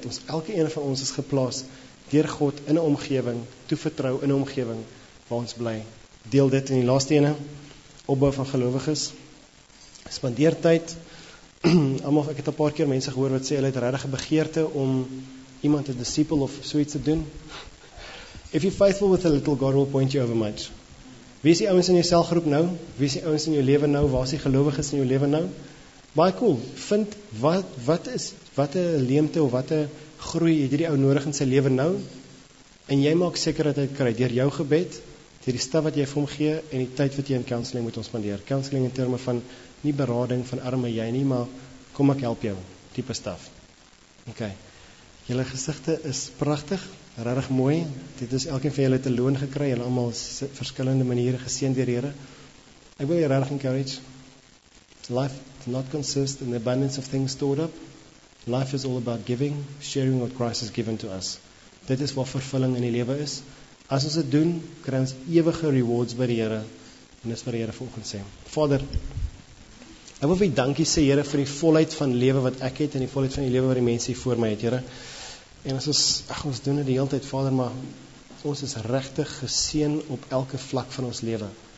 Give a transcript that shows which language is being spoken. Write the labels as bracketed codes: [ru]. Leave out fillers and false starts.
[af] Ons, elke een van ons is geplaas deur God in 'n omgewing, toevertrou in 'n omgewing waar ons bly. Deel dit in die laaste ene. Opbou van gelowiges. Spandeer tyd. Almal, ek het 'n paar keer mense gehoor wat sê hulle het regtig 'n begeerte om iemand te disipel of so iets te doen. [en] If you're faithful with a little, God will point you over much. [af] Wie is die ouens in jou selgroep nou? Wie is die ouens in jou lewe nou? Waar is die gelowiges in jou lewe nou? Baie cool. Vind wat 'n leemte of wat 'n groei het hierdie ou nodig in sy lewe nou? En jy maak seker dat hy dit kry deur jou gebed, deur die stap wat jy vir hom gee en die tyd wat jy in counseling moet spandeer. Counseling in terme van nie berading van arme jy nie, maar kom ek help jou, tipe staf. Ok, julle gesigte is prachtig, regtig mooi, dit is elkeen van julle te loon gekry, julle allemaal verskillende maniere geseen deur Here. Ek wil julle regtig encourage, [en] life does not consist in the abundance of things stored up, life is all about giving, sharing what Christ has given to us. [af] Dit is wat vervulling in die lewe is. As ons dit doen, kry ons ewige rewards by die Here, en dis wat die Here vanoggend sê. Vader, ek wil vir u dankie sê, Here, vir die volheid van lewe wat ek het en die volheid van die lewe wat die mense hier voor my het, Here. En as ons doen dit die hele tyd, Vader, maar ons is regtig geseën op elke vlak van ons lewe.